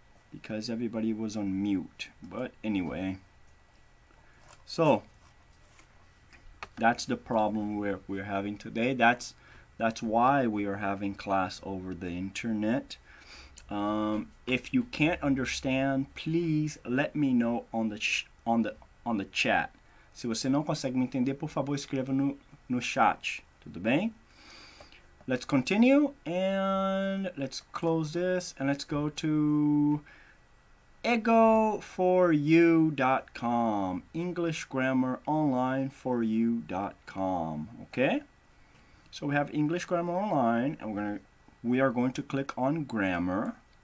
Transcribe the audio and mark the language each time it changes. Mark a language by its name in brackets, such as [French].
[English] Because everybody was on mute. But anyway. So, that's the problem we're having today. That's why we are having class over the internet. If you can't understand, please let me know on the chat. [Portuguese] Se você não consegue me entender, por favor, escreva no chat. Tudo bem? [English] Let's continue and let's close this and let's go to egoforyou.com, English Grammar Online for you.com. Okay? So we have English Grammar Online and we are going to click on grammar.